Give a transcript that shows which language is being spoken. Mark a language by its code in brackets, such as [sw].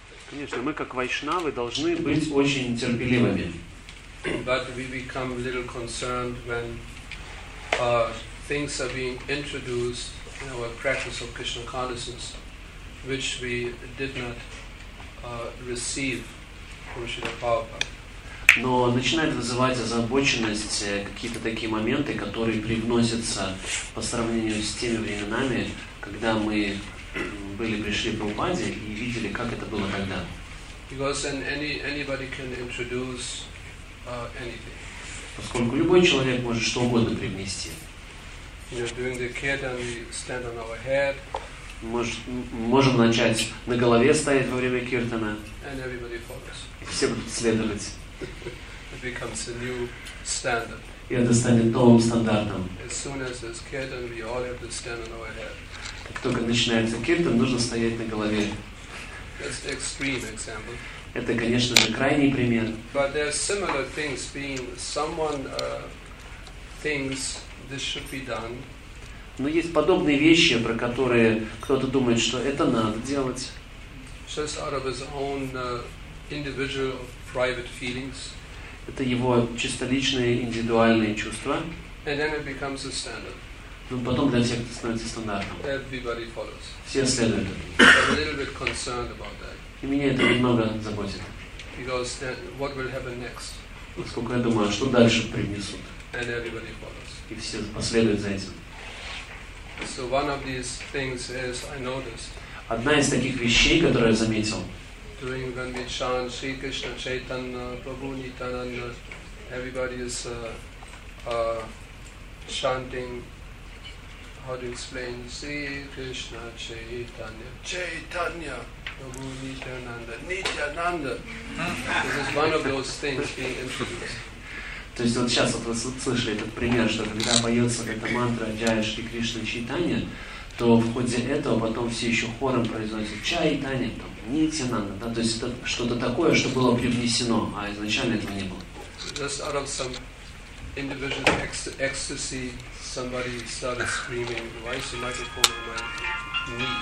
[ru] Конечно, мы как вайшнавы должны быть очень терпеливыми. [en] But we become a little concerned when things are being introduced in our practice of Krishna consciousness, which we did not receive from Srila Prabhupada. [ru] Но начинает вызывать озабоченность какие-то такие моменты, которые привносятся по сравнению с теми временами, когда мы были пришли по Прабхупаде и видели, как это было тогда. [en] Because anybody can introduce anything. [ru] Поскольку любой человек может что угодно привнести. [en] During the kirtan we stand on our head. [ru] Можем начать на голове стоять во время киртана. [en] And everybody follows. [ru] Все будут следовать. [en] It becomes a new standard. [ru] И это станет новым стандартом. [en] As soon as there's kirtan, we all have to stand on our head. [ru] Как только начинается киртан, нужно стоять на голове. [en] That's an extreme example. [ru] Это, конечно же, крайний пример. [en] But there are similar things being someone thinks this should be done. [ru] Но есть подобные вещи, про которые кто-то думает, что это надо делать. [en] Just out of his own individual private feelings. [ru] Это его чисто личные индивидуальные чувства. [en] And then it becomes a standard. [ru] Но потом для всех это становится стандартом. [en] Everybody follows. [ru] Все следуют. [en] I'm a little bit concerned about that. [ru] И меня это немного заботит. [en] Because then what will happen next? [ru] Поскольку я думаю, что дальше принесут. [en] And everybody follows. [ru] И все последуют за этим. [en] So one of these things is I noticed. [ru] Одна из таких вещей, которую я заметил. [en] During when we chant Sri Krishna Chaitanya Prabhu Nityananda, everybody is chanting. How to explain? [sa] Sri Krishna Chaitanya, Chaitanya Prabhu Nityananda, Nityananda. [en] This is one of those things being introduced. [ru] То есть вот сейчас вот вы слышали этот пример, что когда поется эта мантра Джая Шри Кришна Чайтанья, то в ходе этого потом все еще хором произносят Чайтанья там. Нитянанда, да, то есть это что-то такое, что было привнесено, а изначально этого не было. [en] Just out of some individual ecstasy, somebody started screaming, why is the microphone on my knee?